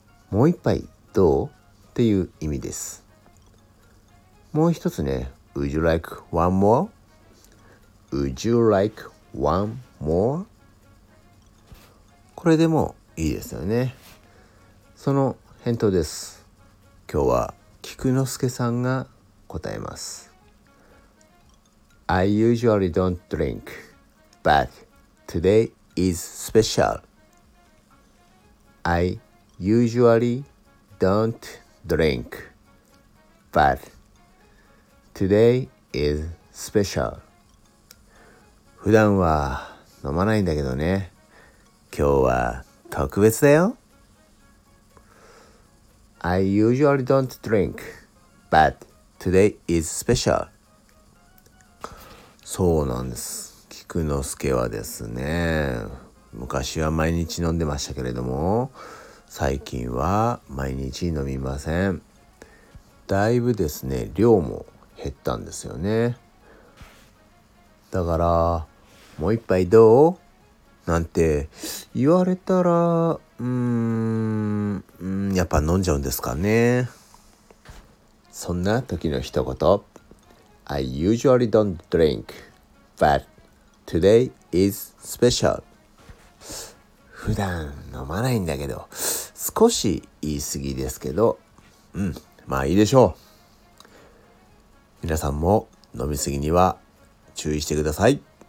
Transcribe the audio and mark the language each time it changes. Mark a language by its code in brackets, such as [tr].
[ja] もう一杯どう?っていう意味です。もう一つね、 Would you like one more? [en] Would you like one more? [ja] これでもいいですよね。その返答です。今日は菊之助さんが答えます。 [en] I usually don't drink, but today is special. I usually don't drink, but today is special. [ja] 普段は飲まないんだけどね、今日は特別だよ。 [en] I usually don't drink, but today is special. [ja] そうなんです。菊之助はですね、昔は毎日飲んでましたけれども、最近は毎日飲みません。だいぶですね、量も減ったんですよね。だから、もう一杯どう? なんて言われたら、やっぱ飲んじゃうんですかね。そんな時の一言、 I usually don't drink, but today is special. 普段飲まないんだけど、少し言い過ぎですけど、まあいいでしょう。皆さんも飲み過ぎには注意してください。